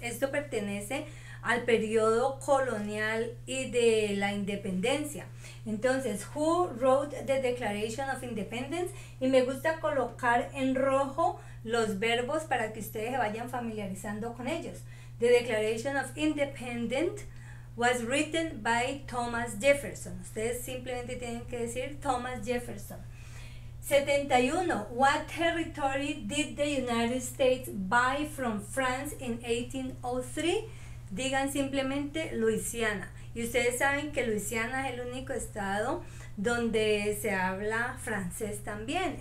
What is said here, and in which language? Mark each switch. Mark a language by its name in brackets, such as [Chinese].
[Spanish] Esto pertenece al periodo colonial y de la independencia. Entonces, [English] who wrote the Declaration of Independence? [Spanish] Y me gusta colocar en rojo los verbos para que ustedes se vayan familiarizando con ellos. [English] The Declaration of Independence was written by Thomas Jefferson. [Spanish] Ustedes simplemente tienen que decir Thomas Jefferson. 71. [English] What territory did the United States buy from France in 1803? [Spanish] Digan simplemente Luisiana. Y ustedes saben que Luisiana es el único estado donde se habla francés también.